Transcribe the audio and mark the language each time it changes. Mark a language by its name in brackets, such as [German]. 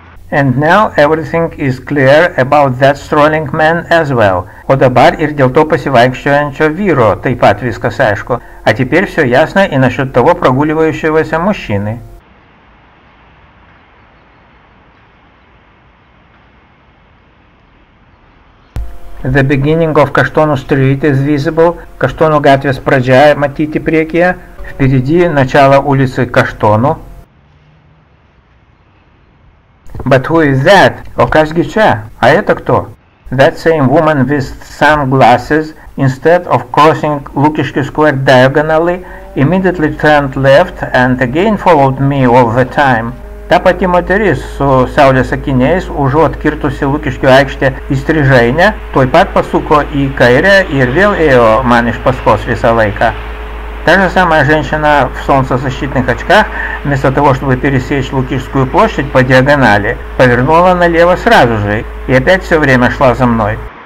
[English] And now everything is clear about that strolling man as well. [Lithuanian] O dabar ir dėl to pasivaikščiojančio vyro taip pat viskas aišku. [Russian] А теперь все ясно и насчет того прогуливающегося мужчины. [English] The beginning of Kaštonų Street is visible. [Lithuanian] Kaštonų gatvės pradžia matyti priekyje. [Russian] Впереди начало улицы Kaštonų. [English] But who is that? [Lithuanian] O kas gi čia? [Russian] А это кто? [English] That same woman with sunglasses, instead of crossing Lukiškių Square diagonally, immediately turned left and again followed me all the time. [Lithuanian] Та pati moteris su saulės akiniais, užuot kirtusi Lukiškių aikštę į Strižainę, tuoj pat pasuko į kairę ir vėl ėjo man iš paskos visą laiką. [Russian] Та же самая женщина в солнцезащитных очках, вместо того, чтобы пересечь Лукишскую площадь по диагонали, повернула налево сразу же и опять все время шла за мной.